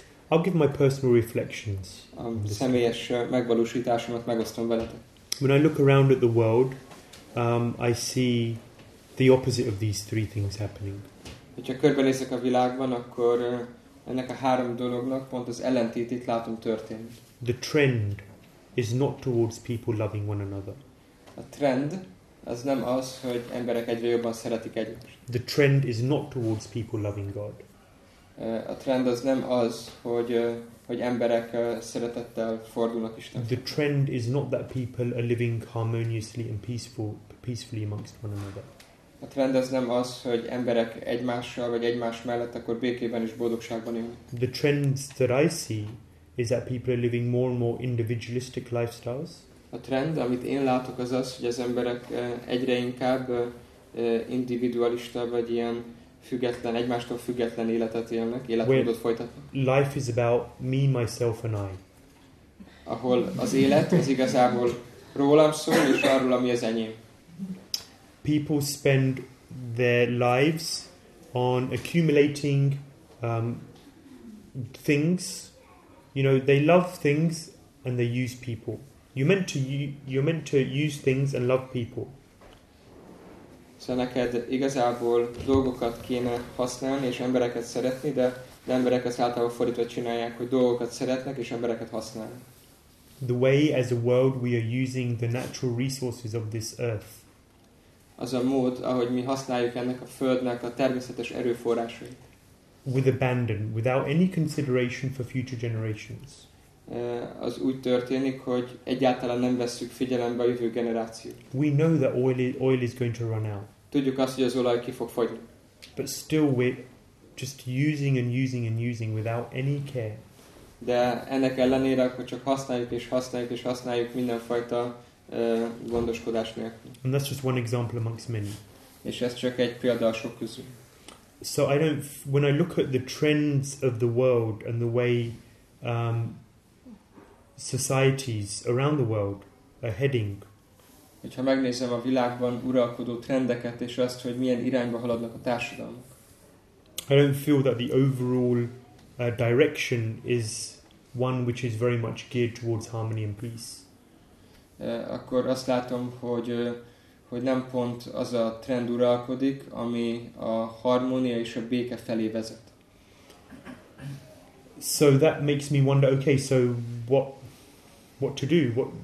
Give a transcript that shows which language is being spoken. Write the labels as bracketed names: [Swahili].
[English] I'll give my personal reflections. [Hungarian] A személyes megvalósításomat megosztom veletek. [English] When I look around at the world, I see the opposite of these three things happening. [Hungarian] Hogyha körbenézek a világban, akkor ennek a három dolognak pont az ellentétét látom történni. [English] The trend is not towards people loving one another. [Hungarian] A trend az nem az, hogy emberek egyre jobban szeretik egymást. [English] The trend is not towards people loving God. [Hungarian] A trend az nem az, hogy emberek szeretettel fordulnak Istenhez. [English] The trend is not that people are living harmoniously and peacefully amongst one another. [Hungarian] A trend az nem az, hogy emberek egymással vagy egymás mellett akkor békében és boldogságban élnek. [English] The trends that I see is that people are living more and more individualistic lifestyles. [Hungarian] A trend, amit én látok, az, hogy az emberek egyre inkább individualista vagy ilyen független, egymástól független életet élnek, életmódot folytatnak. [English] Life is about me, myself and I. [Hungarian] Ahol az élet az igazából rólam szól, és arról, ami az enyém. [English] People spend their lives on accumulating things. You know, they love things and they use people. You're meant to use things and love people. [Hungarian] Szóval neked igazából dolgokat kéne használni és embereket szeretni, de emberek ezt általában fordítva csinálják, hogy dolgokat szeretnek és embereket használnak. [English] The way as a world we are using the natural resources of this earth. [Hungarian] az a mód, ahogy mi használjuk ennek a földnek a természetes erőforrásait. [English] With abandon, without any consideration for future generations. [Hungarian] Az úgy történik, hogy egyáltalán nem vesszük figyelembe a jövő generációt. [English] We know that oil is going to run out. [Hungarian] Tudjuk azt, hogy az olaj ki fog fogyni. [English] But still we're just using and using and using without any care. [Hungarian] De ennek ellenére akkor csak használjuk és használjuk és használjuk mindenfajta gondoskodás nélkül. [English] And that's just one example amongst many. [Hungarian] És ez csak egy példa a sok közül. [English] So I don't, when I look at the trends of the world and the way societies around the world are heading. [Hungarian] Hogyha megnézem a világban uralkodó trendeket és azt, hogy milyen irányba haladnak a társadalmak. [English] I don't feel that the overall direction is one which is very much geared towards harmony and peace. [Hungarian] Akkor azt látom, hogy hogy nem pont az a trend uralkodik, ami a harmónia és a béke felé vezet. [English] So that makes me wonder, okay, so what to do?